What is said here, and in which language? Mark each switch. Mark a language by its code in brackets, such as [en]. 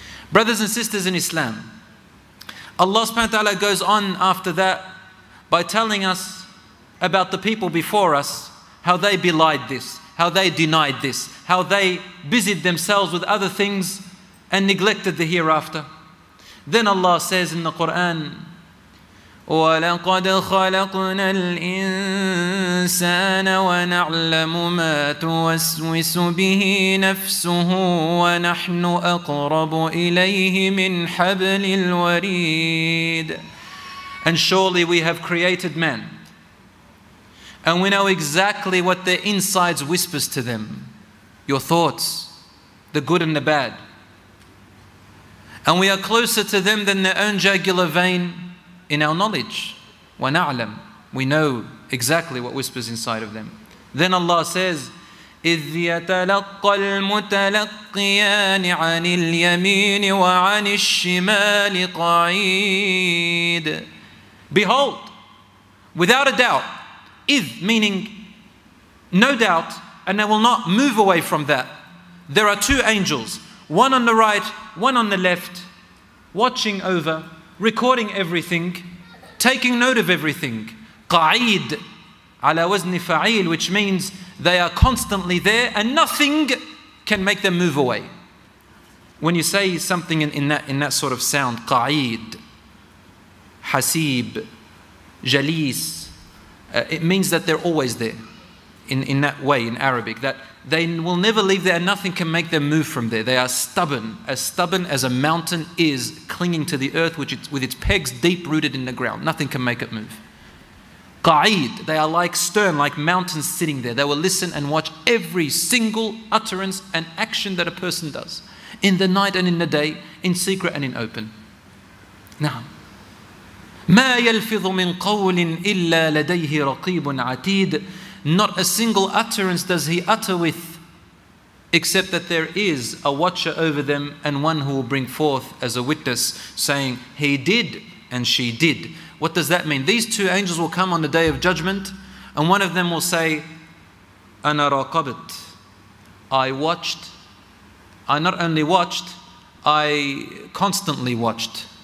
[en] Brothers and sisters in Islam, Allah subhanahu wa ta'ala goes on after that by telling us about the people before us, how they belied this, how they denied this, how they busied themselves with other things and neglected the hereafter. Then Allah says in the Quran, [ar] وَلَقَدْ خَلَقْنَا الْإِنسَانَ وَنَعْلَمُ مَا تُوَسْوِسُ بِهِ نَفْسُهُ وَنَحْنُ أَقْرَبُ إِلَيْهِ مِنْ حَبْلِ الْوَرِيدِ. [en] And surely we have created man, and we know exactly what their insides whispers to them, your thoughts, the good and the bad. And we are closer to them than their own jugular vein in our knowledge. وَنَعْلَمْ, we know exactly what whispers inside of them. Then Allah says, [ar] إِذْ يَتَلَقَّ الْمُتَلَقِّيَانِ عَنِ الْيَمِينِ وَعَنِ الشِّمَالِ قَعِيدٍ. [en] Behold, without a doubt, إِذْ, meaning no doubt, and they will not move away from that. There are two angels, one on the right, one on the left, watching over, recording everything, taking note of everything. [ar] قَعِيد عَلَى وَزْنِ فَعِيل, [en] which means they are constantly there and nothing can make them move away. When you say something in that sort of sound, [ar] قَعِيد, حَسِيب, جَلِيس, [en] it means that they're always there in that way in Arabic, that they will never leave there and nothing can make them move from there. They are stubborn as a mountain is clinging to the earth with its pegs deep rooted in the ground. Nothing can make it move. Qa'id, they are like stern, like mountains sitting there. They will listen and watch every single utterance and action that a person does in the night and in the day, in secret and in open. [ar] Now, مَا يَلْفِظُ مِنْ قَوْلٍ إِلَّا لَدَيْهِ رَقِيبٌ عَتِيدٌ. [en] Not a single utterance does he utter with, except that there is a watcher over them and one who will bring forth as a witness, saying, he did and she did. What does that mean? These two angels will come on the day of judgment, and one of them will say, [ar] أَنَا رَقَبَتْ, [en] I watched, I not only watched, I constantly watched.